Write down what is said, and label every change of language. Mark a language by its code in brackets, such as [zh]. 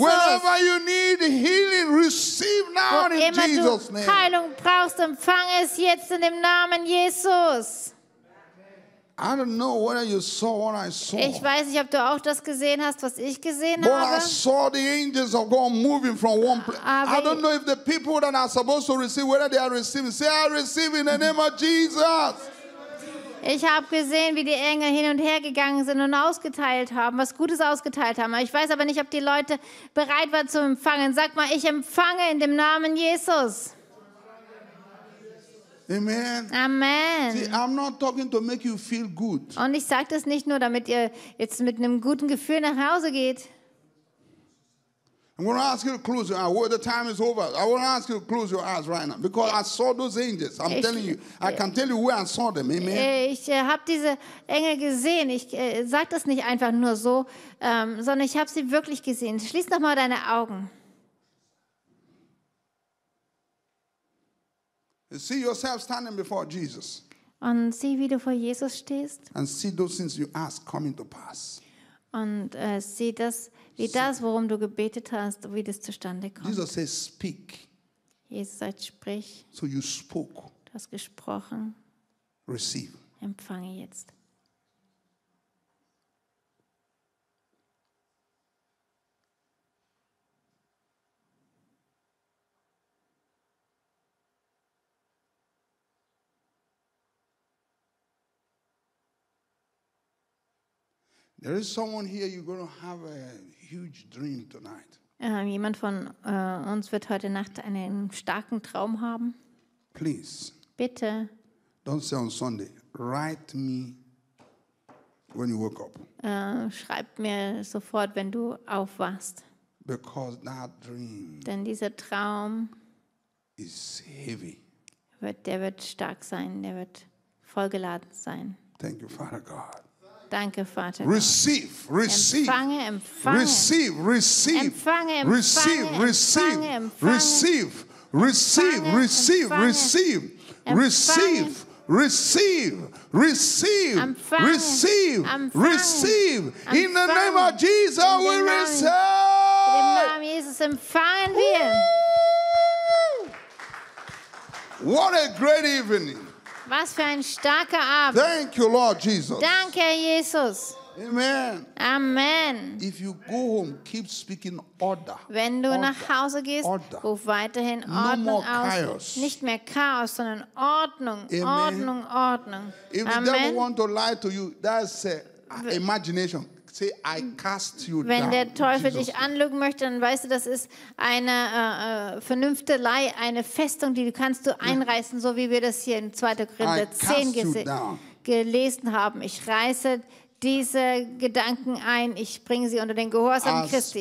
[en] Wherever you need healing, receive now in Jesus' name. [de] Wo immer du Heilung brauchst, empfange es jetzt in dem Namen Jesus. [en] I don't know whether you saw what I saw. [de] Ich weiß nicht, ob du auch das gesehen hast, was ich gesehen [en] but [de] habe. [en] But I saw the angels of God moving from one place. I don't know if the people that are supposed to receive, whether they are receiving. Say, I receive in the name of Jesus. [de] Ich habe gesehen, wie die Engel hin und her gegangen sind und ausgeteilt haben, was Gutes ausgeteilt haben. Ich weiß aber nicht, ob die Leute bereit waren zu empfangen. Sag mal, ich empfange in dem Namen Jesus. [en] Amen. [de] Amen. [en] See, I'm not talking to make you feel good. [de] Und ich sage das nicht nur, damit ihr jetzt mit einem guten Gefühl nach Hause geht. [en] I'm going to ask you to close your eyes. The time is over. I want to ask you to close your eyes right now. Because I saw those angels. I'm telling you. I can tell you where I saw them. Amen. [de] Ich habe diese Engel gesehen. Ich sage das nicht einfach nur so, sondern ich habe sie wirklich gesehen. Schließ doch mal deine Augen. [en] See yourself standing before Jesus. [de] Und sieh, wie du vor Jesus stehst. [en] And see those things you ask coming to pass. [de] Und sieh das, wie das, worum du gebetet hast, wie das zustande kommt. [en] Jesus says, speak. [de] Jesus sagt, sprich. [en] So you spoke. [de] Du hast gesprochen. [en] Receive. [de] Empfange jetzt. [en] There is someone here, you're going to have a huge dream tonight. [de] Jemand von uns wird heute Nacht einen starken Traum haben. [en] Please. [de] Bitte. [en] Don't say on Sunday. Write me when you woke up. [de] Schreib mir sofort, wenn du aufwachst. [en] Because that dream. [de] Denn dieser Traum. [en] Is heavy. [de] Der wird stark sein. Der wird vollgeladen sein. [en] Thank you, Father God. [de] Danke, Vater. [en] Receive, receive. [de] Empfange, empfange. [en] Receive, receive. [de] Empfange, empfange. [en] Receive, receive. Receive, receive. Receive, receive. Receive, receive. Receive, receive. Receive. In the name of Jesus, we receive. [de] In dem Namen Jesus empfangen wir. [en] What a great evening. [de] Was für ein starker Abend. [en] Thank you, Lord Jesus. [de] Danke, Jesus. [en] Amen. [de] Amen. [en] If you go home, keep speaking order. [de] Wenn du [en] order, [de] nach Hause gehst, order. Ruf weiterhin Ordnung [en] no more [de] aus. Nicht mehr Chaos, sondern Ordnung. Amen. Ordnung, Ordnung. [en] If Amen. The devil want to lie to you, that's imagination. Say, I cast you down. [de] Wenn der Teufel Jesus dich anlügen möchte, dann weißt du, das ist eine Vernünftelei, eine Festung, die kannst du einreißen, so wie wir das hier in 2. Korinther 10 gelesen haben. Ich reiße diese Gedanken ein, ich bringe sie unter den Gehorsam Christi.